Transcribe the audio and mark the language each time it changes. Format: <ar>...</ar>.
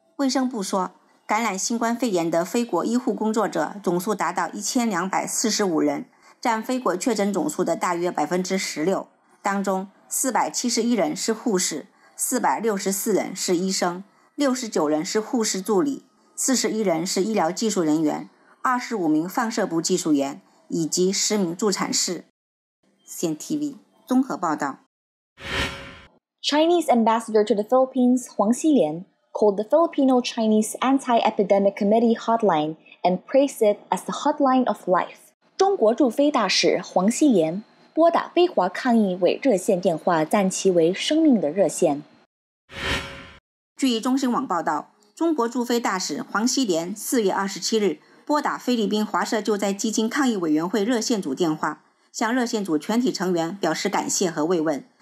<zh>卫生部说，感染新冠肺炎的非国医护工作者总数达到1245人，占非国确诊总数的大约 16%， 当中471人是护士，464人是医生，69人是护士助理，41人是医疗技术人员，25名放射部技术员以及10名助产士。 CNTV 综合报道。</zh> <en>Chinese Ambassador to the Philippines, 黄希莲, called the Filipino-Chinese Anti-Epidemic Committee hotline and praised it as the hotline of life.</en> <zh>中国驻菲大使黄希莲拨打非华抗疫伪热线电话，赞其为生命的热线。据中新网报道，中国驻菲大使黄希莲4月27日拨打菲律宾华社救灾基金抗疫委员会热线组电话，向热线组全体成员表示感谢和慰问。</zh>